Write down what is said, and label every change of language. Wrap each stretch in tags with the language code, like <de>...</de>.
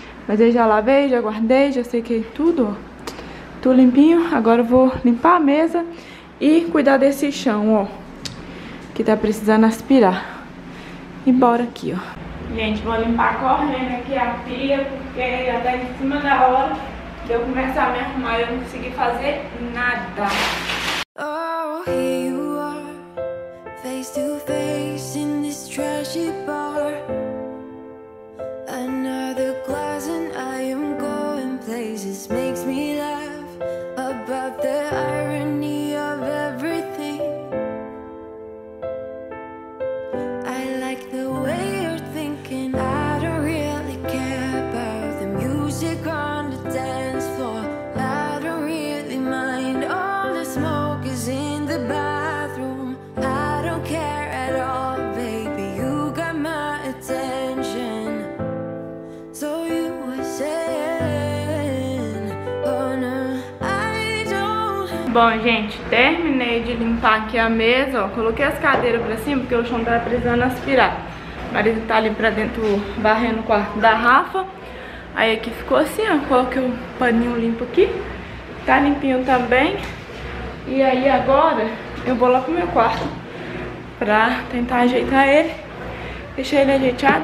<pt>Mas eu já lavei, já guardei, já sequei tudo, ó. Tudo limpinho, agora eu vou limpar a mesa e cuidar desse chão, ó. Que tá precisando aspirar. E bora aqui, ó. Gente, vou limpar correndo aqui a pia, porque até em cima da hora de eu começar a me arrumar, eu não consegui fazer nada.</pt> <en>Oh, here you are, face to face in this trashy bar. Another glass and I am going places. Makes me laugh about the irony of everything. I like the way you're thinking. I don't really care about the music on the dance floor. I don't really mind all the smoke is in the bathroom. I don't care at all, baby. You got my attention. So you were saying, oh no, I don't.</en> <pt>Bom, gente, terminei de limpar aqui a mesa, ó. Coloquei as cadeiras pra cima porque o chão tá precisando aspirar. O marido tá ali pra dentro varrendo o quarto da Rafa. Aí aqui ficou assim, ó. Coloquei um paninho limpo aqui. Tá limpinho também. E aí agora eu vou lá pro meu quarto pra tentar ajeitar ele. Deixei ele ajeitado.</pt>